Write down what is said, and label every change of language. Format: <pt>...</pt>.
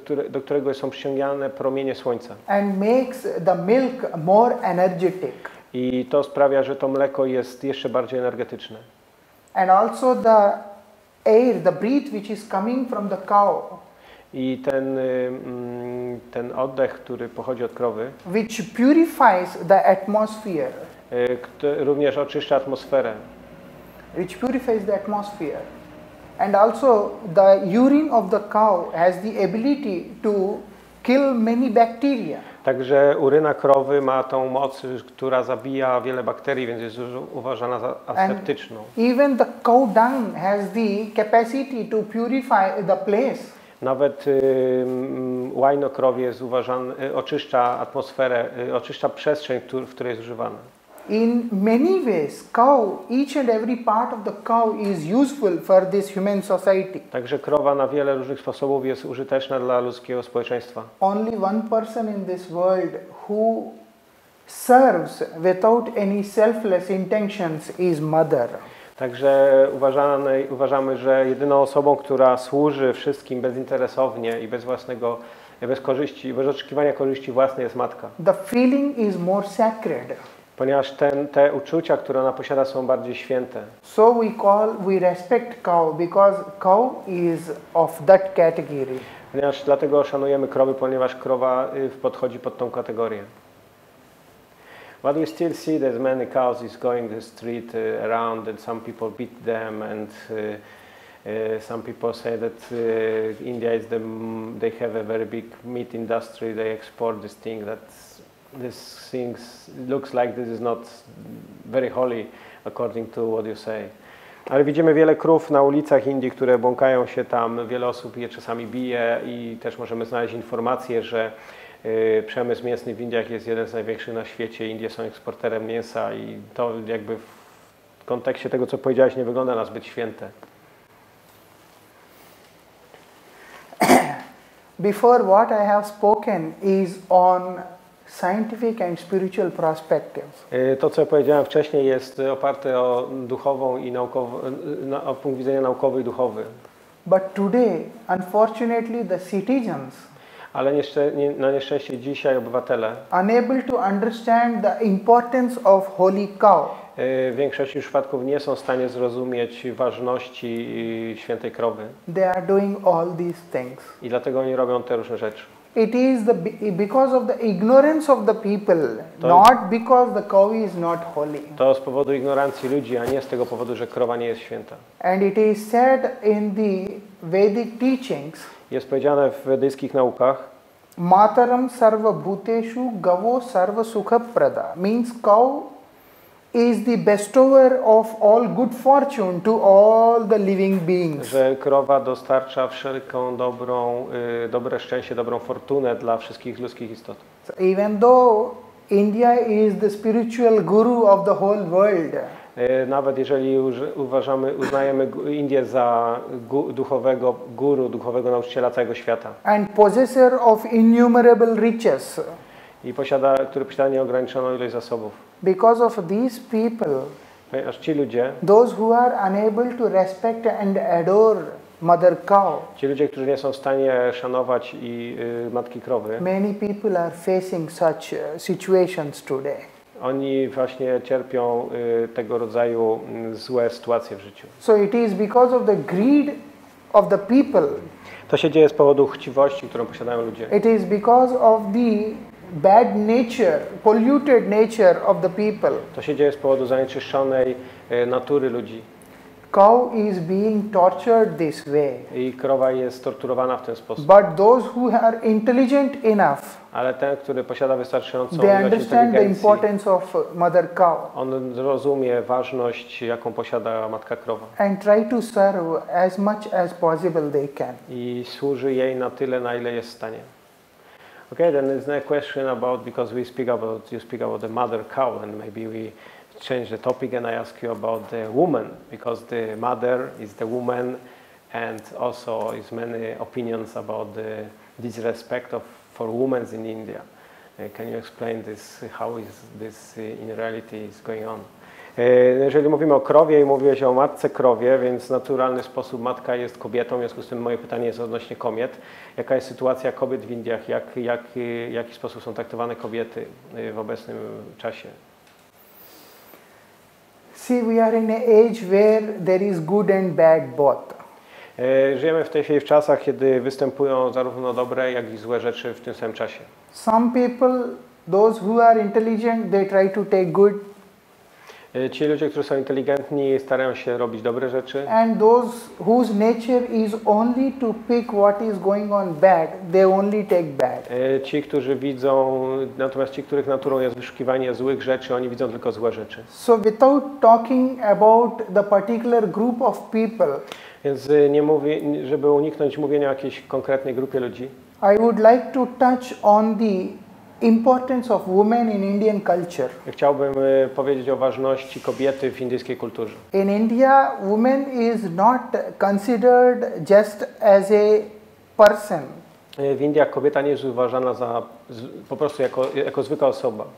<pl>Do którego są przyciągane promienie słońca.</pl> <en>And makes the milk more energetic.</en> <pl>I to sprawia, że to mleko jest jeszcze bardziej energetyczne.</pl> <en>And also the air, the breath which is coming from the cow.</en> <pl>I ten ten oddech, który pochodzi od krowy.</pl> <en>Which purifies the atmosphere.</en> <pl>Również oczyszcza atmosferę.</pl> <en>Which purifies the atmosphere. And also the urine of the cow has the ability to kill many bacteria.</en> <pl>Także uryna krowy ma tą moc, która zabija wiele bakterii, więc jest uważana za aseptyczną.</pl> <en>And even the cow dung has the capacity to purify the place.</en> <pl>Nawet łajno krowie jest uważane, oczyszcza atmosferę, oczyszcza przestrzeń, w której jest używane.</pl> <en>In many ways, cow, each and every part of the cow is useful for this human society.</en> <pl>Także krowa na wiele różnych sposobów jest użyteczna dla ludzkiego społeczeństwa.</pl> <en>Only one person in this world who serves without any selfless intentions is mother.</en> <pl>Także uważamy, że jedyną osobą, która służy wszystkim bezinteresownie i bez własnego, bez korzyści, bez oczekiwania korzyści własnej, jest matka.</pl> <en>The feeling is more sacred.</en> <pl>Ponieważ te uczucia, które ona posiada, są bardziej święte.</pl> <en>So we call, we respect cow, because cow is of that category.</en> <pl>Ponieważ dlatego szanujemy krowy, ponieważ krowa podchodzi pod tą kategorię.</pl> <en>But we still see that many cows is going the street around, and some people beat them, and some people say that India is the they have a very big meat industry, they export this thing that. This things looks like this is not very holy according to what you say.</en> <pl>Ale widzimy wiele krów na ulicach Indii, które błąkają się tam. Wiele osób je czasami bije i też możemy znaleźć informacje, że przemysł mięsny w Indiach jest jeden z największych na świecie. Indie są eksporterem mięsa i to jakby w kontekście tego, co powiedziałeś, nie wygląda na zbyt święte.</pl> <en>Before what I have spoken is on scientific and spiritual perspectives.</en> <pl>To, co ja powiedziałem wcześniej, jest oparte o duchową i naukową, o punkt widzenia naukowy i duchowy.</pl> <en>But today, unfortunately, the citizens.</en> <pl>Ale na nieszczęście dzisiaj obywatele.</pl> <en>Unable to understand the importance of holy cow.</en> <pl>W większości przypadków nie są w stanie zrozumieć ważności świętej krowy.</pl> <en>They are doing all these things.</en> <pl>I dlatego oni robią te różne rzeczy.</pl> <en>It is the because of the ignorance of the people, not because the cow is not holy.</en> <pl>To z powodu ignorancji ludzi, a nie z tego powodu, że krowa nie jest święta.</pl> <en>And it is said in the Vedic teachings.</en> <pl>Jest powiedziane w wedyjskich naukach.</pl> <sa>Mataram sarva bhuteshu gavo sarva sukhaprada</sa> <en>means cow is the bestower of all good fortune to all the living beings.</en> <pl>Że krowa dostarcza wszelką dobre szczęście, dobrą fortunę dla wszystkich ludzkich istot.</pl> <en>So even though India is the spiritual guru of the whole world.</en> <pl>Nawet jeżeli uznajemy Indię za duchowego guru, duchowego nauczyciela całego świata.</pl> <en>And possessor of innumerable riches.</en> <pl>I posiada, który posiada nieograniczoną ilość zasobów.</pl> <en>Because of these people,</en> <pl>ponieważ ci ludzie,</pl> <en>those who are unable to respect and adore mother cow,</en> <pl>ci ludzie, którzy nie są w stanie szanować i matki krowy,</pl> <en>many people are facing such situations today.</en> <pl>Oni właśnie cierpią tego rodzaju złe sytuacje w życiu.</pl> <en>So it is because of the greed of the people.</en> <pl>To się dzieje z powodu chciwości, którą posiadają ludzie.</pl> <en>It is because of the bad nature, polluted nature of the people.</en> <pl>To się dzieje z powodu zanieczyszczonej natury ludzi.</pl> <en>Cow is being tortured this way.</en> <pl>I krowa jest torturowana w ten sposób.</pl> <en>But those who are intelligent enough.</en> <pl>Ale ten, który posiada wystarczającą ilość inteligencji.</pl> <en>They understand the importance of mother cow.</en> <pl>On rozumie ważność, jaką posiada matka krowa.</pl> <en>And try to serve as much as possible they can.</en> <pl>I służy jej na tyle, na ile jest w stanie.</pl> <en>Okay, then there's no question about, because we speak about, you speak about the mother cow, and maybe we change the topic and I ask you about the woman, because the mother is the woman, and also is many opinions about the disrespect of for women in India. Can you explain this, how is this in reality is going on?</en> <pl>Jeżeli mówimy o krowie i mówiłeś o matce krowie, więc w naturalny sposób matka jest kobietą, w związku z tym moje pytanie jest odnośnie kobiet. Jaka jest sytuacja kobiet w Indiach? Jaki sposób są traktowane kobiety w obecnym czasie?</pl> <en>See, we are in an age where there is good and bad both.</en> <pl>Żyjemy w tej chwili w czasach, kiedy występują zarówno dobre, jak i złe rzeczy w tym samym czasie.</pl> <en>Some people, those who are intelligent, they try to take good.</en> <pl>Ci ludzie, którzy są inteligentni, starają się robić dobre rzeczy.</pl> <en>And those whose nature is only to pick what is going on bad, they only take bad.</en> <pl>Ci, którzy widzą, natomiast ci, których naturą jest wyszukiwanie złych rzeczy, oni widzą tylko złe rzeczy.</pl> <en>So without talking about the particular group of people.</en> <pl>Więc nie mówię, żeby uniknąć mówienia o jakiejś konkretnej grupie ludzi.</pl> <en>I would like to touch on the importance of women in Indian culture.</en> <pl>Chciałbym powiedzieć o ważności kobiety w indyjskiej kulturze.</pl> <en>In India, woman is not considered just as a person.</en> <pl>W Indiach kobieta nie jest uważana za po prostu jako zwykła osoba.</pl>